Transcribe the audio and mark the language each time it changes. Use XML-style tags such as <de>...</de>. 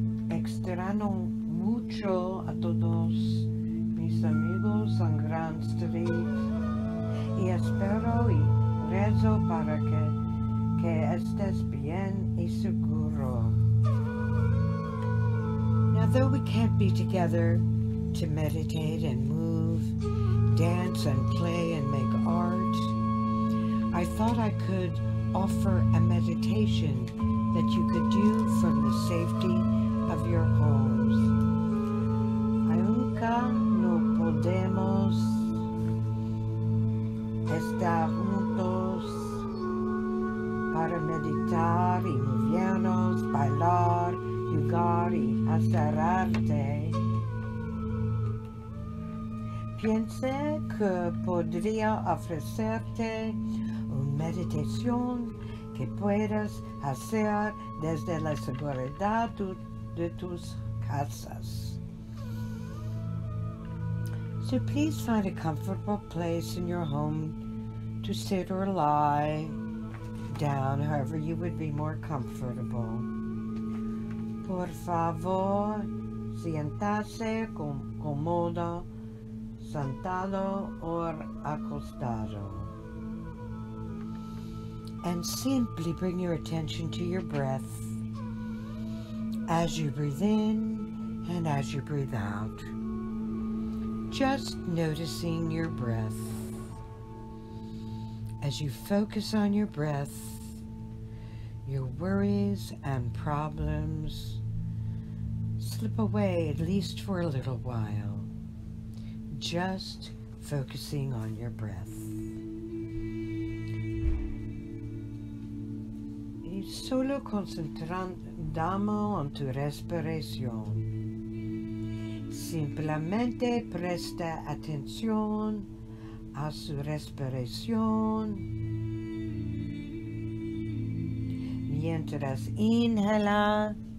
<es>Extraño mucho a todos mis amigos</es> <en>on Grand Street</en> <es>y espero y rezo para que estés bien y seguro.</es> <en>Though we can't be together to meditate and move, dance and play and make art, I thought I could offer a meditation that you could do from the safety of your homes.</en> <es>Nunca no podemos estar juntos para meditar y movernos, bailar, jugar y hacer arte. Piense que podría ofrecerte una meditación que puedas hacer desde la seguridad de tus casas.</es> <en>So please find a comfortable place in your home to sit or lie down, however you would be more comfortable.</en> <es>Por favor, siéntase cómodo, sentado o acostado.</es> <en>And simply bring your attention to your breath as you breathe in and as you breathe out. Just noticing your breath. As you focus on your breath, your worries and problems slip away, at least for a little while, just focusing on your breath.</en> <es>Y solo concentrando en tu respiración, simplemente presta atención a su respiración mientras inhala.</es>